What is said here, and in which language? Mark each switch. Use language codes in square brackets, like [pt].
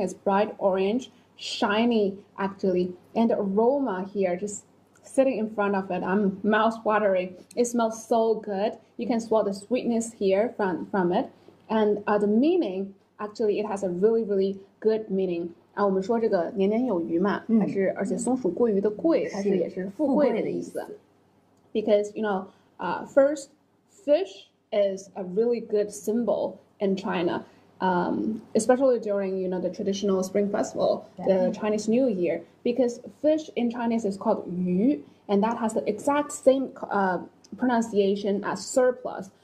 [en] It's bright orange, shiny, actually, and the aroma here, just sitting in front of it, I'm mouth watering. It smells so good. You can smell the sweetness here from it, and the meaning, actually, it has a really, really good meaning. [zh] 啊，我们说这个年年有余嘛，还是而且松鼠桂鱼的桂，它是也是富贵的意思。 [en] Because you know, first, fish is a really good symbol in China, especially during you know the traditional Spring Festival, the Chinese New Year. Because fish in Chinese is called 鱼 and that has the exact same pronunciation as surplus.